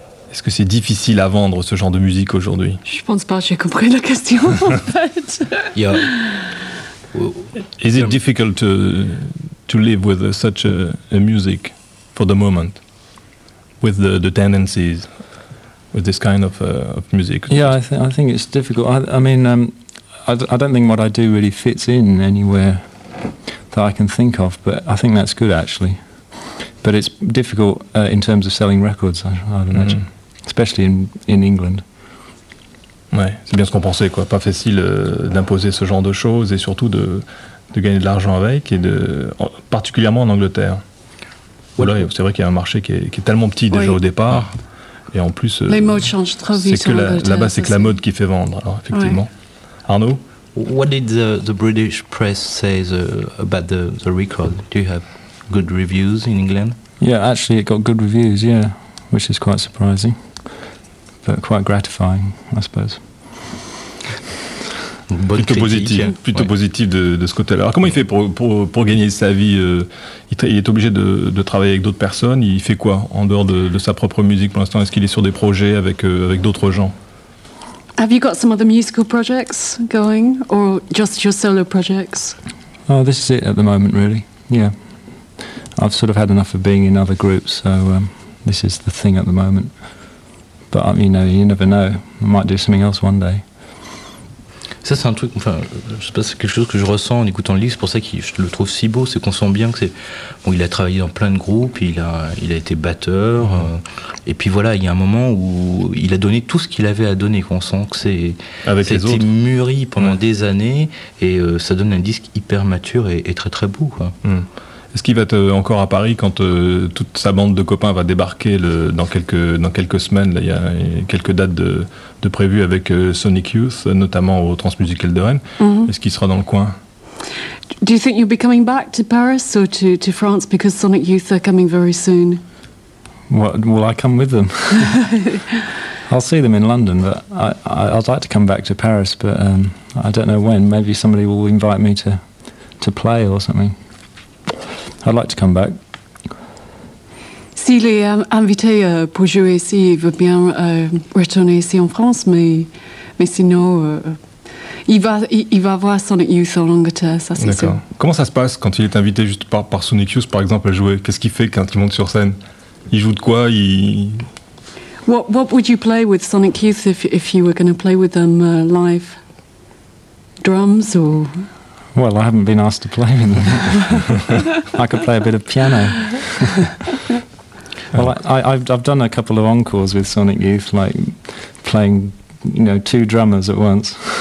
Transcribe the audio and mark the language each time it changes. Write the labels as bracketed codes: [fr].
[fr] Est-ce que c'est difficile à vendre ce genre de musique aujourd'hui? Je ne pense pas, j'ai compris la question en fait. [en] Yeah. Is it difficult to live with such a music for the moment, with the tendencies, with this kind of music? Yeah, I think it's difficult. I don't think what I do really fits in anywhere that I can think of, but I think that's good actually. But it's difficult in terms of selling records, I'd imagine, especially in England. [fr] Ouais, c'est bien ce qu'on pensait, quoi. Pas facile d'imposer ce genre de choses et surtout de gagner de l'argent avec, particulièrement en Angleterre. Voilà, c'est vrai qu'il y a un marché qui est tellement petit déjà au départ, et en plus, les modes changent trop vite. C'est que là-bas, c'est que la mode qui fait vendre, alors, effectivement. Ouais. Arnaud? [en] What did the British press say about the record? Do you have good reviews in England? Yeah, actually it got good reviews, yeah, which is quite surprising, but quite gratifying, I suppose. [fr] Plutôt positif de ce côté-là. Alors comment il fait pour gagner sa vie? Il est obligé de travailler avec d'autres personnes. Il fait quoi en dehors de sa propre musique pour l'instant? Est-ce qu'il est sur des projets avec d'autres gens? [en] Have you got some other musical projects going, or just your solo projects? Oh, this is it at the moment, really. Yeah. I've sort of had enough of being in other groups, so this is the thing at the moment. But, you know, you never know. I might do something else one day. [fr] Ça, c'est un truc, enfin, je sais pas, c'est quelque chose que je ressens en écoutant le livre, c'est pour ça que je le trouve si beau, c'est qu'on sent bien que c'est... Bon, il a travaillé dans plein de groupes, il a été batteur, et puis voilà, il y a un moment où il a donné tout ce qu'il avait à donner, qu'on sent que c'est... Avec les autres. C'était mûri pendant des années, et ça donne un disque hyper mature et très très beau, quoi. Est-ce qu'il va être encore à Paris quand toute sa bande de copains va débarquer dans quelques semaines? Là, il y a quelques dates de prévues avec Sonic Youth, notamment au Transmusical de Rennes. Mm-hmm. Est-ce qu'il sera dans le coin? [en] Do you think you'll be coming back to Paris or to France because Sonic Youth are coming very soon? Will I come with them? I'll see them in London, but I'd like to come back to Paris, but I don't know when. Maybe somebody will invite me to play or something. I'd like to come back. [fr] S'il est invité pour jouer ici, il veut bien retourner ici en France, mais sinon, il va voir Sonic Youth en Angleterre, ça c'est d'accord. Sûr. Comment ça se passe quand il est invité juste par Sonic Youth, par exemple, à jouer? Qu'est-ce qu'il fait quand il monte sur scène? Il joue de quoi? [en] What would you play with Sonic Youth if you were going to play with them live? Drums or... Well, I haven't been asked to play in them. I could play a bit of piano. Well, I've done a couple of encores with Sonic Youth, like playing, you know, two drummers at once.